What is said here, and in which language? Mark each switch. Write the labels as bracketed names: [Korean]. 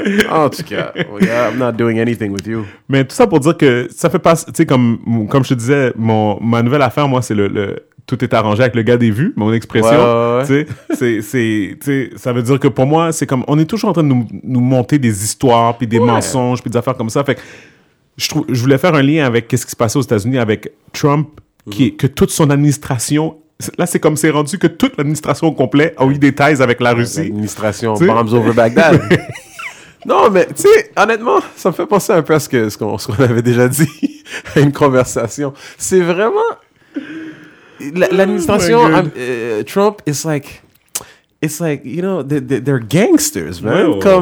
[French] En tout cas, [English] I'm not doing anything with you. [French] Mais tout ça pour dire que ça fait pas, tu sais, comme je te disais, ma nouvelle affaire, moi, c'est le tout est arrangé avec le gars des vues, mon expression. Tu sais, ça veut dire que pour moi, c'est comme, on est toujours en train de nous monter des histoires, puis des mensonges, puis des affaires comme ça. Fait que je voulais faire un lien avec qu'est-ce qui se passait aux États-Unis avec Trump, que toute son administration. Là, c'est comme c'est rendu que toute l'administration au complet a eu des ties avec la Russie. L'administration, t'sais? [English] Bombs over Baghdad. [French] Non, mais tu sais, honnêtement, ça me fait penser un peu à ce qu'on avait déjà dit à une conversation. C'est vraiment... [English] L'administration, Trump, it's like, you know, they're gangsters, man.